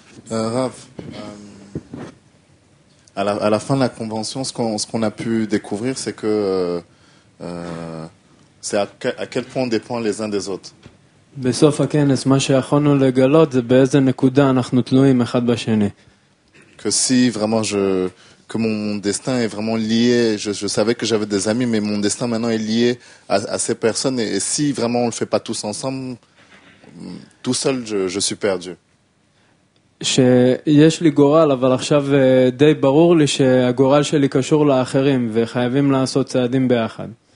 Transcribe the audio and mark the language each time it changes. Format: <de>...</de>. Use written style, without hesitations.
<fr>רב, à la fin de la convention, ce qu'on a pu découvrir, c'est que c'est à quel point on dépend les uns des autres.</fr> <he>בסוף הכנס, מה שיכולנו לגלות זה באיזה נקודה אנחנו תלויים אחד בשני.</he> <fr>Que si vraiment que mon destin est vraiment lié, je savais que j'avais des amis, mais mon destin maintenant est lié à ces personnes, et si vraiment on le fait pas tous ensemble, tout seul je suis perdu.</fr> <he>שיש לי גורל, אבל עכשיו די ברור לי שהגורל שלי קשור לאחרים וחייבים לעשות צעדים ביחד.</he>